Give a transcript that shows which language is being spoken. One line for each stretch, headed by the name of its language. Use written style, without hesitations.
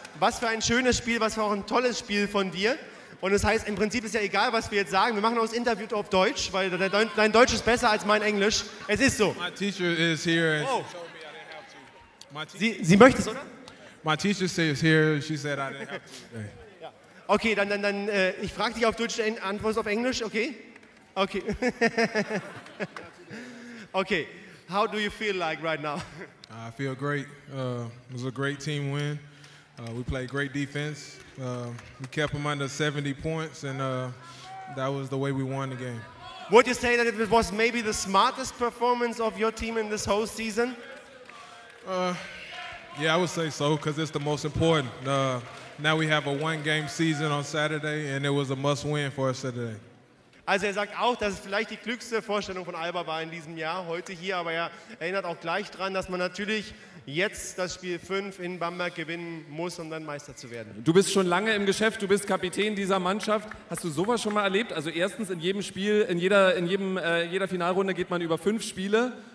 German: Was für ein schönes Spiel, was für auch ein tolles Spiel von dir. Und das heißt, im Prinzip ist ja egal, was wir jetzt sagen. Wir machen auch das Interview auf Deutsch, weil dein Deutsch ist besser als mein Englisch. Es ist so.
English: My teacher is here. And oh.
German: Sie möchte es, oder?
English: My teacher is here. She said I didn't have to.
German: Okay, dann ich frage dich auf Deutsch, antwortest auf Englisch, okay? Okay. Okay.
English: How do you feel like right now? I feel great. It was a great team win. We played great defense. We kept them under 70 points, and that was the way we won the game. Would you say that it was maybe the smartest performance of your team in this whole season? Yeah, I would say so, because it's the most important. Now we have a one-game season on Saturday, and it was a must-win for us today.
German: Also er sagt auch, dass es vielleicht die klügste Vorstellung von Alba war in diesem Jahr, heute hier, aber er erinnert auch gleich daran, dass man natürlich jetzt das Spiel 5 in Bamberg gewinnen muss, um dann Meister zu werden. Du bist schon lange im Geschäft, du bist Kapitän dieser Mannschaft. Hast du sowas schon mal erlebt? Also erstens, in jedem Spiel, in jeder Finalrunde geht man über 5 Spiele.